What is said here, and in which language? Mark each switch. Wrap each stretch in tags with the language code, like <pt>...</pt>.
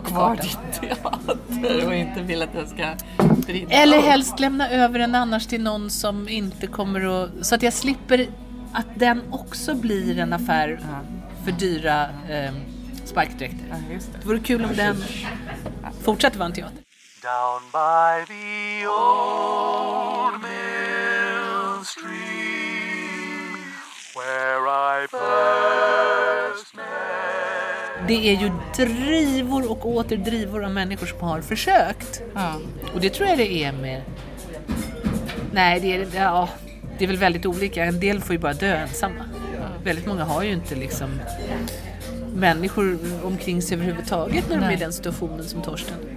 <sv>kvar ditt teater och inte vill att den ska brinna. Eller helst lämna över den annars till någon som inte kommer att, så att jag slipper att den också blir en affär för dyra sparkdräkter. Ja, just det. Det vore kul om den fortsatte vara en teater.</sv> <en>Down by the old mill stream, where I first met.</en> <sv>Det är ju drivor och åter drivor av människor som har försökt. Ja. Och det tror jag det är med. Nej, det är, ja, det är väl väldigt olika. En del får ju bara dö ensamma. Ja. Väldigt många har ju inte liksom människor omkring sig överhuvudtaget när de är i den situationen som Torsten.</sv>